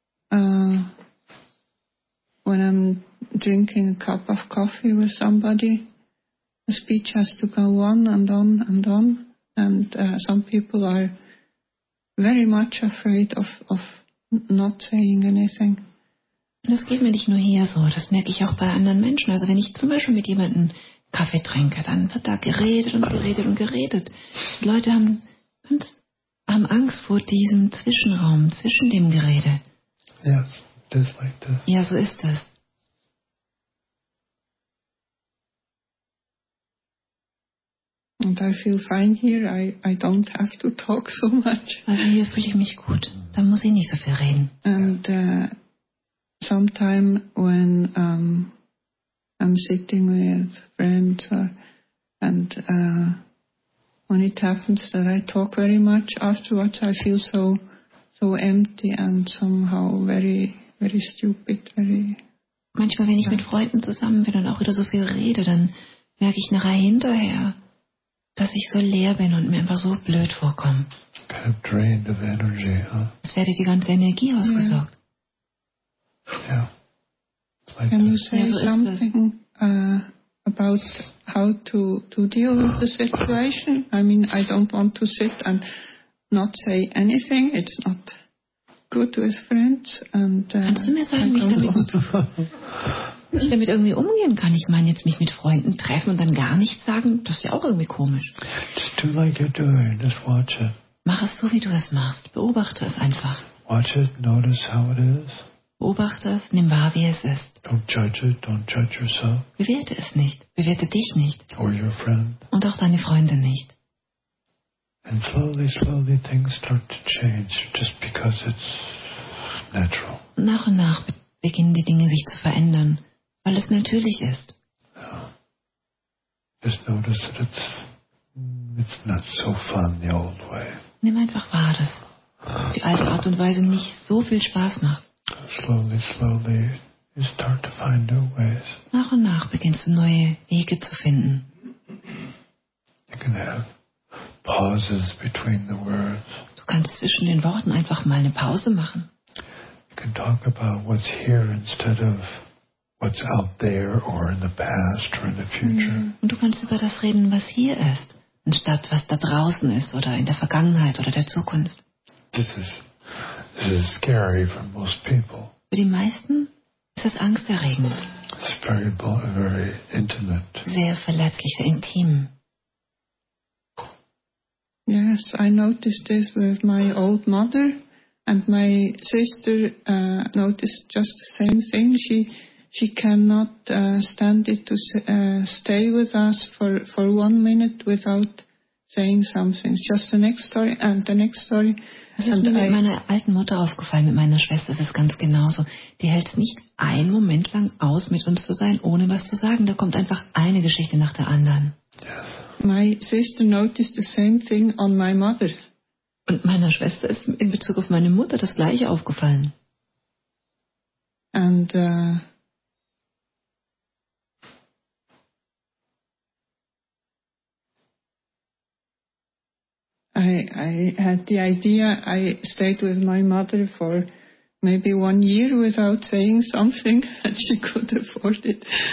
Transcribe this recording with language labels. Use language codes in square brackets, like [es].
[en] When I'm drinking a cup of coffee with somebody, the speech has to go on and on and on. And some people are very much afraid of not saying anything. [de] Und das geht mir nicht nur hier so, das merke ich auch bei anderen Menschen. Also wenn ich zum Beispiel mit jemandem Kaffee trinke, dann wird da geredet und geredet und geredet. Die Leute haben Angst vor diesem Zwischenraum, zwischen dem Gerede. [en] Yes, just like that. [de] Ja, so ist das. [en] And I feel fine here. I don't have to talk so much. [de] Also hier fühle ich mich gut. Da muss ich nicht so viel reden. [en] And sometime when I'm sitting with friends, when it happens that I talk very much afterwards, I feel so empty and somehow very, very stupid. [de] Manchmal, wenn ich mit Freunden zusammen bin und auch wieder so viel rede, dann merke ich nachher hinterher, dass ich so leer bin und mir einfach so blöd vorkomme. [en] Kind of drained of energy, huh? [de] Es werde die ganze Energie ausgesaugt. [en] Yeah. Yeah. Like can you say something about how to deal with the situation? I mean, I don't want to sit and not say anything. It's not good with friends. And, [de] kannst du mir sagen, wie ich damit irgendwie umgehen kann? Ich meine, jetzt mich mit Freunden treffen und dann gar nichts sagen, das ist ja auch irgendwie komisch. [en] Just do like you're doing. Just watch it. [de] Mach es so, wie du es machst. Beobachte es einfach. [en] Watch it, notice how it is. [de] Beobachte es, nimm wahr, wie es ist. [en] Don't judge it, don't judge yourself. [de] Bewerte es nicht, bewerte dich nicht. [en] Or your friend. [de] Und auch deine Freunde nicht. [en] And slowly, slowly things start to change, just because it's natural. [de] Nach und nach beginnen die Dinge sich zu verändern, weil es natürlich ist. [en] Yeah. Just notice that it's not so fun the old way. [de] Nimm einfach wahr, dass die alte Art und Weise nicht so viel Spaß macht. [en] Slowly, slowly, you start to find new ways. [de] Nach und nach beginnst du neue Wege zu finden. [en] You can have pauses between the words. [de] Du kannst zwischen den Worten einfach mal eine Pause machen. [en] You can talk about what's here instead of what's out there or in the past or in the future. [de] Und du kannst über das reden, was hier ist, anstatt was da draußen ist oder in der Vergangenheit oder der Zukunft. [en] This is scary for most people. [de] Für die meisten ist es angsterregend. [en] It's very, very intimate. [de] Sehr verletzlich, sehr intim. [en] Yes, I noticed this with my old mother, and my sister noticed just the same thing. She cannot stand it to stay with us for 1 minute without saying something. Just the next story and the next story. [de] Es ist mir mit meiner alten Mutter aufgefallen, mit meiner Schwester ist es ganz genauso. Die hält es nicht einen Moment lang aus, mit uns zu sein, ohne was zu sagen. Da kommt einfach eine Geschichte nach der anderen. [en] My sister noticed the same thing on my mother. [de] Und meiner Schwester ist in Bezug auf meine Mutter das Gleiche aufgefallen. [en] And I had the idea I stayed with my mother for maybe 1 year without saying something, and she could afford it.